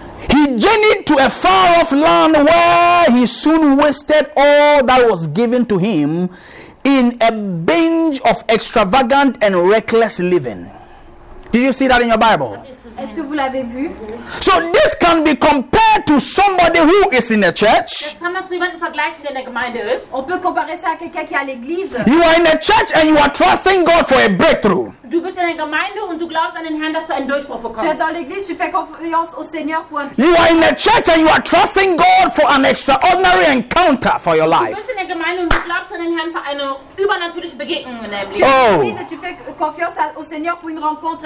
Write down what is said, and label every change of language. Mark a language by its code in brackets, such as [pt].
[en] He journeyed to a far-off land where he soon wasted all that was given to him in a binge of extravagant and reckless living. Did you see that in your Bible? [fr] Est-ce que vous l'avez vu? [en] So this can be compared to somebody who is in a church. [de] Das kann man zu jemandem vergleichen, der in der Gemeinde ist. [fr] On peut comparer ça à quelqu'un qui est à l'église. [en] You are in a church and you are trusting God for a breakthrough. [de] Du bist in der Gemeinde und du glaubst an den Herrn, dass du einen Durchbruch bekommst. [fr] Tu es dans l'église, tu fais confiance au Seigneur pour un. [en] You are in a church and you are trusting God for an extraordinary encounter for your life. [de] Du bist in der Gemeinde und du glaubst an den Herrn für eine übernatürliche Begegnung in deinem Leben. Oh. [fr] Tu fais confiance au Seigneur pour une rencontre.